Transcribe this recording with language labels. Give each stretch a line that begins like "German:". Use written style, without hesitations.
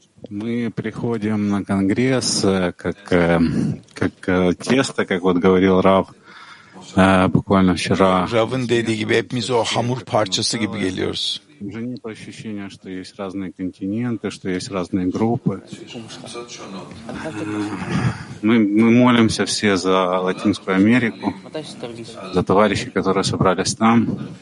Russian: Мы приходим на конгресс как тесто, как вот говорил Рав буквально вчера.
Turkish: Рав'ın dediği gibi hepimiz o hamur parçası gibi geliyoruz.
Russian: Уже не про ощущение, что есть разные континенты, что есть разные группы. Мы молимся все за Латинскую Америку, за товарищей, которые собрались там.